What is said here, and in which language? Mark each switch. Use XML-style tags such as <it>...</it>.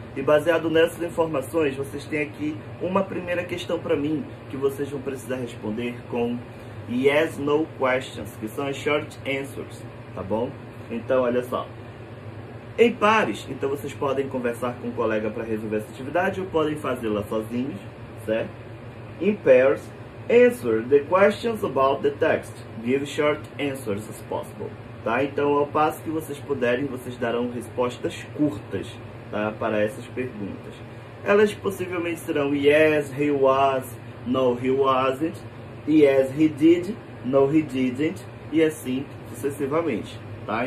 <pt>E baseado nessas informações, vocês têm aqui uma primeira questão para mim, que vocês vão precisar responder com</pt> <en>yes, no questions,</en> <pt>que são as</pt> <en>short answers,</en> <pt>tá bom? Então, olha só, em pares, então vocês podem conversar com um colega para resolver essa atividade ou podem fazê-la sozinhos, certo?</pt> <en>In pairs, answer the questions about the text. Give short answers as possible,</en> <pt>tá? Então, ao passo que vocês puderem, vocês darão respostas curtas, tá, para essas perguntas. Elas possivelmente serão</pt> <en>yes, he was, no, he wasn't, yes, he did, no, he didn't,</en> <pt>e assim sucessivamente. Tá?</pt>